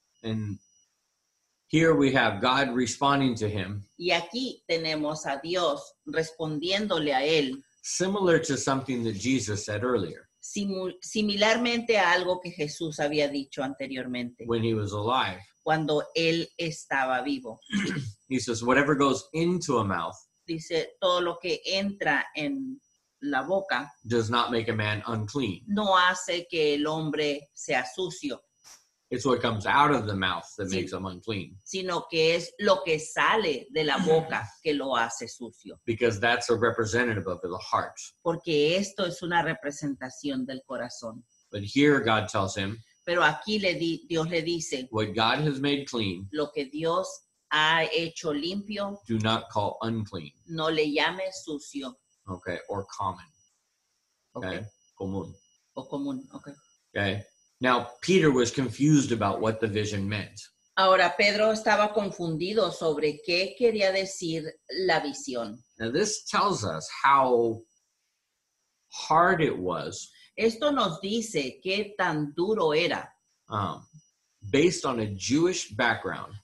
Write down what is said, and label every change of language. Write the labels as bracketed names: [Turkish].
[English] And here we have God responding to him. [Spanish] Y aquí tenemos a Dios respondiéndole a él. [English] Similar to something that Jesus said earlier. [Spanish] Similarmente a algo que Jesús había dicho anteriormente. [English] When he was alive. [Spanish] Cuando él estaba vivo. [English] He says, whatever goes into a mouth. [Spanish] Dice, todo lo que entra en la boca. [English] Does not make a man unclean. [Spanish] No hace que el hombre sea sucio. [English] It's what comes out of the mouth that makes him unclean. [Spanish] Sino que es lo que sale de la boca que lo hace sucio. [English] Because that's a representative of the heart. [Spanish] Porque esto es una representación del corazón. [English] But here God tells him. [Spanish] Pero aquí Dios le dice. [English] What God has made clean. [Spanish] Lo que Dios ha hecho limpio. [English] Do not call unclean. [Spanish] No le llame sucio. [English] Okay, or common. Okay. Común. [Spanish] O común, okay. [English] Okay. Now, Peter was confused about what the vision meant. [Spanish] Ahora, Pedro estaba confundido sobre qué quería decir la visión. [English] Now, this tells us how hard it was. [Spanish] Esto nos dice qué tan duro era. [English] Based on a Jewish background.